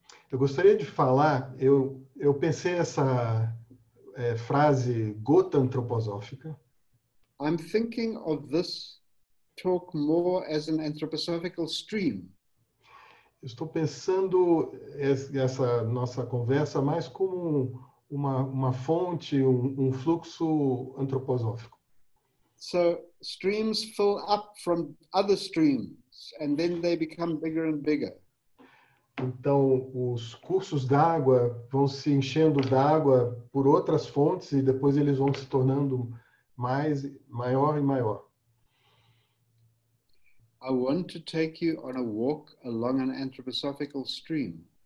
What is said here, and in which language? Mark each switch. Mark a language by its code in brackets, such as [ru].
[pt] Eu gostaria de falar, eu pensei essa frase gota antroposófica. [en] I'm thinking of this talk more as an anthroposophical stream. [pt] Estou pensando essa nossa conversa mais como uma fonte, um fluxo antroposófico. [en] So streams fill up from other streams and then they become bigger and bigger. [pt] Então os cursos d'água vão se enchendo d'água por outras fontes e depois eles vão se tornando mais maior e maior. [en] I want to take you on a walk along an anthroposophical stream.